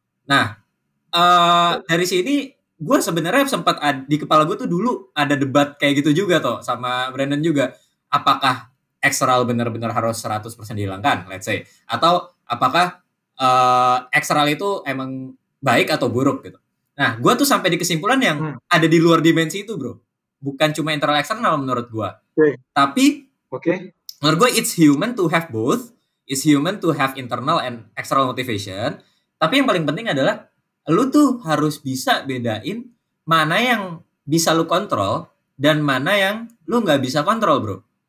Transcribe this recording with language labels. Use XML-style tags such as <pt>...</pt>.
<id>Nah, dari sini gue sebenarnya sempat di kepala gue tuh dulu ada debat kayak gitu juga toh sama Brandon juga. Apakah eksternal benar-benar harus 100% dihilangkan,</id> <en>let's say.</en> <id>Atau apakah eksternal itu emang baik atau buruk gitu. Nah, gue tuh sampai di kesimpulan yang ada di luar dimensi itu, bro. Bukan cuma internal eksternal menurut gue. Tapi, menurut gue</id> <en>it's human to have both. It's human to have internal and external motivation.</en> <id>Tapi yang paling penting adalah, lu tuh harus bisa bedain mana yang bisa lu kontrol dan mana yang lu gak bisa kontrol, bro.</id>